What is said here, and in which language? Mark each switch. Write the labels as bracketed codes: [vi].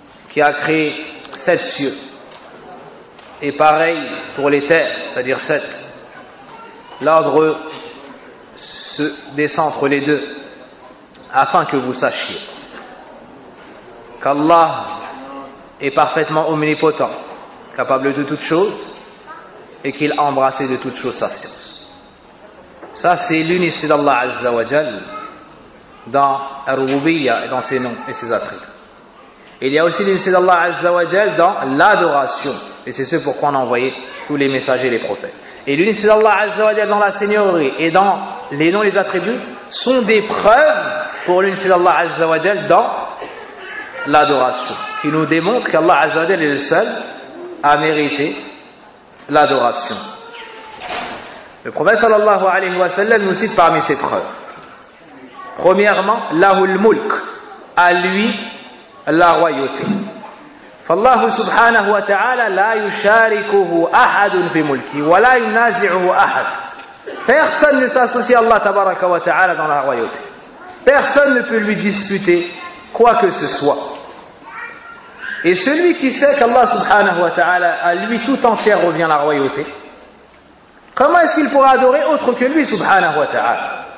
[fr] qui a créé sept cieux et pareil pour les terres c'est-à-dire sept l'ordre se descend entre les deux afin que vous sachiez qu'Allah est parfaitement omnipotent, capable de toutes choses, et qu'il a embrassé de toutes choses sa science. Ça, c'est l'unicité d'Allah Azza wa Jal dans Ar-Rububiyya et dans ses noms et ses attributs. Il y a aussi l'unicité d'Allah Azza wa Jal dans l'adoration, et c'est ce pourquoi on a envoyé tous les messagers et les prophètes. Et l'unicité d'Allah Azza wa Jalla dans la seigneurie et dans les noms et les attributs sont des preuves pour l'unicité d'Allah Azza wa Jalla dans l'adoration. Qui nous démontre qu'Allah Azza wa Jalla est le seul à mériter l'adoration. Le prophète sallallahu alayhi wa sallam nous cite parmi ces preuves. Premièrement, [ar] lahul mulk, [fr] à lui la royauté. [ar] فالله سبحانه وتعالى لا يشاركه أحد في ملكه ولا ينازعه أحد. [fr] Personne ne s'associe à Allah تبارك وتعالى dans la royauté. Personne ne peut lui disputer quoi que ce soit. Et celui qui sait qu'Allah سبحانه وتعالى à lui tout entier revient la royauté, comment est-ce qu'il pourra adorer autre que lui سبحانه وتعالى?